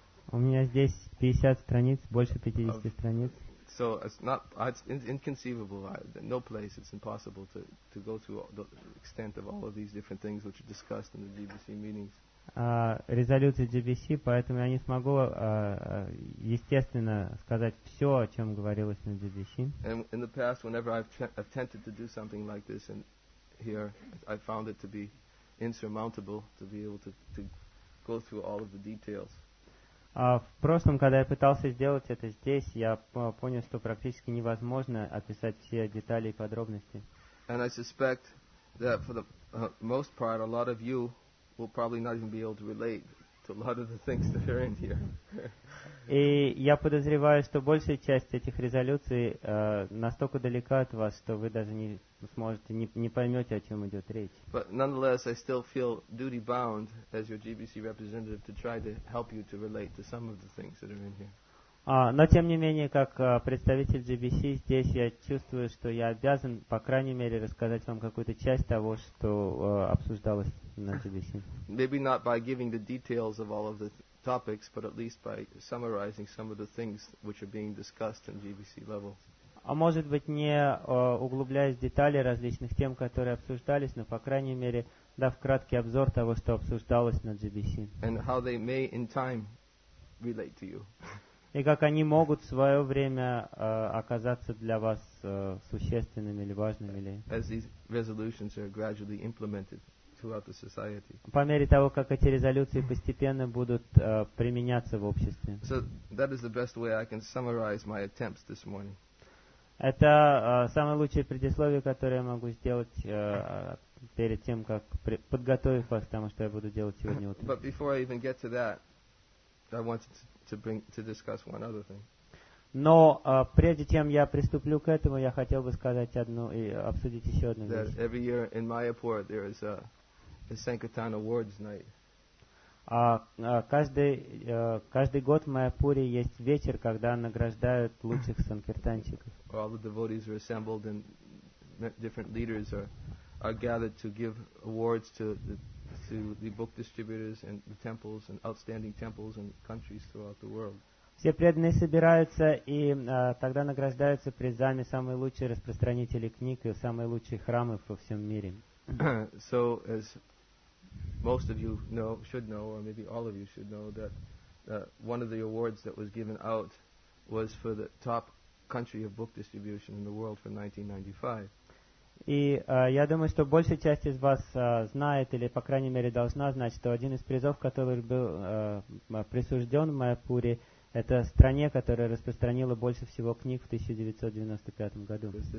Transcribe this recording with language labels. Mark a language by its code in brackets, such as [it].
[ru] У меня здесь 50 страниц, больше 50 страниц. [en] So it's inconceivable. No place. It's impossible to go through the extent of all of these different things which are discussed in the GBC meetings. [ru] Резолюции GBC, поэтому я не смогу естественно сказать все, о чем говорилось на GBC. [en] And in the past, whenever I've attempted to do something like this, and here I found it to be insurmountable to be able to go through all of the details. [ru] В прошлом, когда я пытался сделать это здесь, я понял, что практически невозможно описать все детали и подробности. [en] And I suspect that for the most part, a lot of you will probably not even be able to relate to a lot of the things that are in here. [ru] И я подозреваю, что большая часть этих резолюций настолько далека от вас, что вы даже не сможете, не поймете, о чем идет речь. [en] But nonetheless, I still feel duty-bound as your GBC representative to try to help you to relate to some of the things that are in here. [ru] Но тем не менее, как представитель GBC здесь, я чувствую, что я обязан, по крайней мере, рассказать вам какую-то часть того, что обсуждалось на GBC. [en] Maybe not by giving the details of all of the topics, but at least by summarizing some of the things which are being discussed in GBC level. [ru] А может быть, не углубляясь в детали различных тем, которые обсуждались, но по крайней мере, дав краткий обзор того, что обсуждалось на GBC. [en] And how they may in time relate to you. [ru] И как они могут в свое время оказаться для вас существенными или важными. Или... [en] As these resolutions are gradually implemented throughout the society. [ru] По мере того, как эти резолюции постепенно будут применяться в обществе. [en] So that is the best way I can summarize my attempts this morning. [ru] Это самое лучшее предисловие, которое я могу сделать перед тем, как подготовив вас к тому, что я буду делать сегодня утром. [en] But before I even get to that, I wanted to discuss one other thing. [ru] Но прежде чем я приступлю к этому, я хотел бы сказать одну и обсудить еще одну вещь. [en] That every year in Mayapur there is a Sankirtan Awards night. [ru] Каждый год в Майяпуре есть вечер, когда награждают лучших санкиртанчиков. [en] All the devotees are assembled and different leaders are gathered to give awards to the book distributors and the temples and outstanding temples and countries throughout the world. [ru] Все преданные собираются и тогда награждаются призами самые лучшие распространители книг и самые лучшие храмы во всем мире. [en] So as most of you know, should know, or maybe all of you should know that one of the awards that was given out was for the top country of book distribution in the world for 1995. [ru] И я думаю, что большая часть из вас знает, или, по крайней мере, должна знать, что один из призов, который был присужден в Майяпуре, это стране, которая распространила больше всего книг в 1995 году.